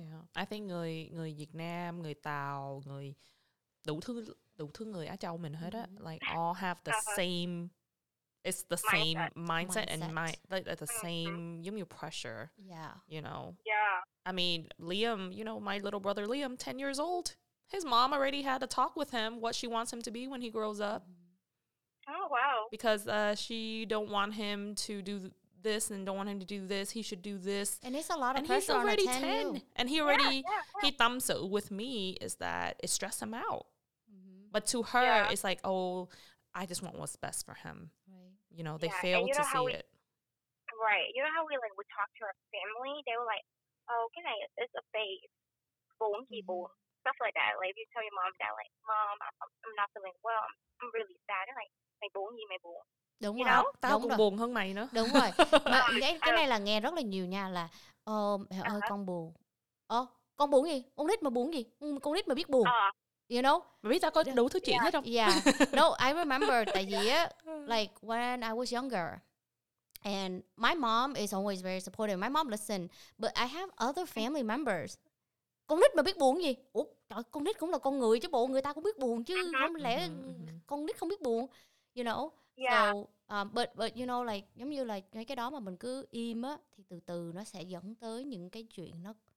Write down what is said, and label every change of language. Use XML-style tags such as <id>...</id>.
<en>Yeah. I think</en> <vi>người Việt Nam, người Tàu, người đủ thứ người ở châu mình hết á,</vi> <en>like, all have the same, it's the same mindset. And the same, give me pressure. Yeah. You know? Yeah. I mean, Liam, you know, my little brother Liam, 10 years old. His mom already had a talk with him what she wants him to be when he grows up. Oh, wow. Because she don't want him to do this and don't want him to do this. He should do this. And it's a lot of and pressure. And he's already 10. And he already, he thumbs it with me is that it stressed him out. Mm-hmm. But to her, it's like, I just want what's best for him. Right. You know, they fail to see it. Right. You know how we talk to our family? They were like, it's a phase. Boom, people. Stuff like that. Like, if you tell your mom that, like, Mom, I'm not feeling well. I'm really sad. And like,</en> <vi>mày buồn gì mày buồn? Đúng</vi> <en>you</en> <vi>rồi.</vi> <en>Know?</en> <vi>Tao cũng buồn hơn mày nữa. Đúng rồi. Mà cái này là nghe rất là nhiều nha. Là, mẹ ơi, con buồn. Con buồn gì? Con nít mà buồn gì? Con nít mà biết buồn.</vi> <en>You know?</en> <vi>Mà biết tao có đủ thứ chuyện hết không?</vi> <en>Yeah. No, I remember.</en> <vi>Tại vì,</vi> <en>like, when I was younger, and my mom is always very supportive. My mom listened. But I have other family members.</en> <vi>Con nít mà biết buồn gì? Ủa, trời, con nít cũng là con người chứ bộ, người ta cũng biết buồn chứ. Không lẽ con nít không biết buồn?</vi> <en>You know? Yeah. So, but you know, like,</en> <vi>giống như là cái đó mà mình cứ im á, thì từ từ nó sẽ dẫn tới những cái chuyện nó</vi>